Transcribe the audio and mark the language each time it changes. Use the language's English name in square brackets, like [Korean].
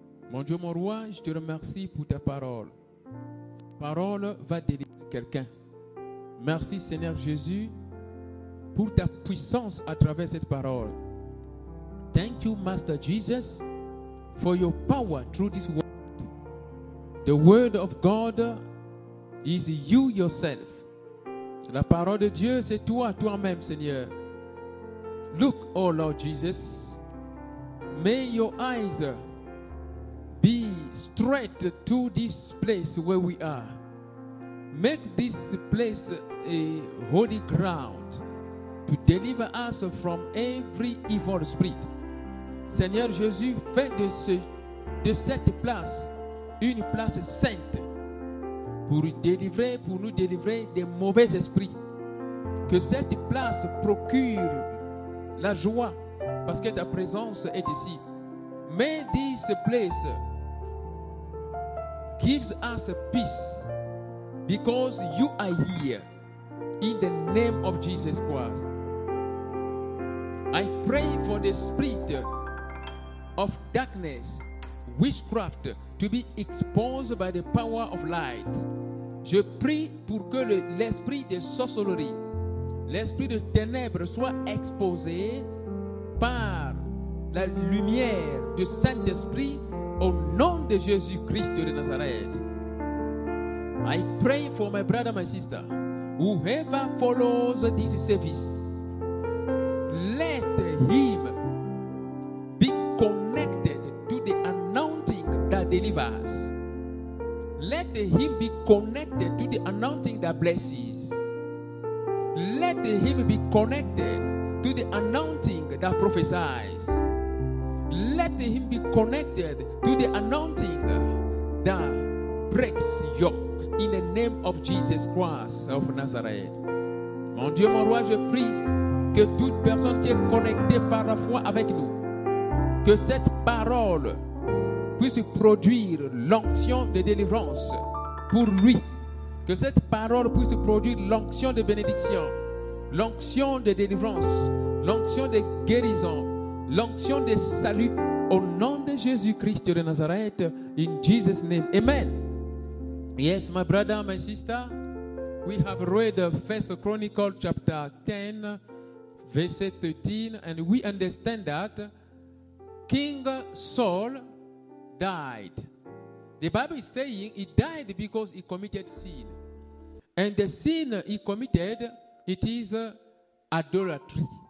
[French] Mon Dieu, mon roi, je te remercie pour ta parole. Ta parole va délivrer quelqu'un. Merci, Seigneur Jésus, pour ta puissance à travers cette parole. [English] Thank you, Master Jesus, for your power through this word. The word of God is you yourself. [French] La parole de Dieu, c'est toi-même, Seigneur. [English] Look, oh Lord Jesus, may your eyes be straight to this place where we are. Make this place a holy ground to deliver us from every evil spirit. [French] Seigneur Jésus, fais de cette place une place sainte pour nous délivrer des mauvais esprits. Que cette place procure la joie parce que ta présence est ici. [English] May this place gives us peace because you are here in the name of Jesus Christ. I pray for the spirit of darkness, witchcraft, to be exposed by the power of light. [French] Je prie pour que l'esprit de sorcellerie, l'esprit de ténèbres soit exposé par la lumière du Saint-Esprit au nom de Jésus-Christ de Nazareth. [English] I pray for my brother, my sister, whoever follows this service, let him be connected to the anointing that delivers. Let him be connected to the anointing that blesses. Let him be connected to the anointing that prophesies. Let him be connected to the anointing that breaks yokes in the name of Jesus Christ of Nazareth. [French] Mon Dieu, mon roi, je prie que toute personne qui est connectée par la foi avec nous, que cette parole puisse produire l'onction de délivrance pour lui. Que cette parole puisse produire l'onction de bénédiction, l'onction de délivrance, l'onction de guérison, l'onction de salut au nom de Jésus-Christ de Nazareth, [English] in Jesus' name. Amen. Yes, my brother, my sister, we have read 1 Chronicles chapter 10, verse 13, and we understand that King Saul died. The Bible is saying he died because he committed sin. And the sin he committed, it is idolatry.